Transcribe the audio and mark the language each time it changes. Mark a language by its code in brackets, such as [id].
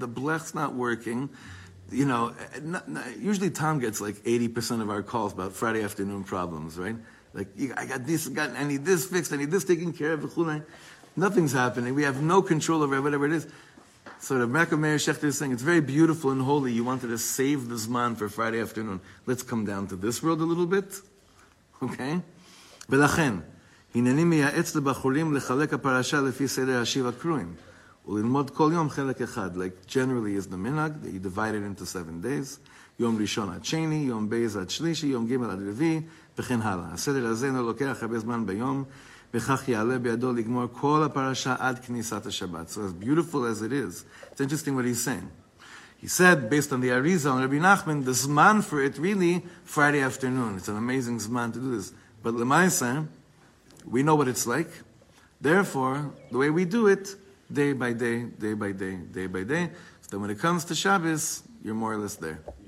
[en] The blech's not working. You know, usually Tom gets like 80% of our calls about Friday afternoon problems, right? Like, I got this, I need this fixed, I need this taken care of. Nothing's happening. We have no control over whatever it is. So the Rebbe Meir Shechter is saying, it's very beautiful and holy. You wanted to save the Zman for Friday afternoon. Let's come down to this world a little bit. Okay? [he] ולכן, הנני מייעץ לבחורים לחלק הפרשה לפי סדר השיב הקרויים, וללמוד כל יום חלק אחד. [en] Like, generally is the minhag, that you divide it into 7 days. [he] יום ראשון עד שני, יום בייז עד שלישי, יום גימל עד רביעי, וכן הלאה. הסדר הזה לא לוקח הרבה זמן ביום, וכך יעלה בידו לגמור כל הפרשה עד כניסת השבת. [en] So as beautiful as it is, it's interesting what he's saying. He said, based on the Arizal and Rabbi Nachman, the Zman for it really, Friday afternoon. It's an amazing Zman to do this. But Lemaisa, we know what it's like. Therefore, the way we do it, day by day, day by day, day by day, so that when it comes to Shabbos, you're more or less there.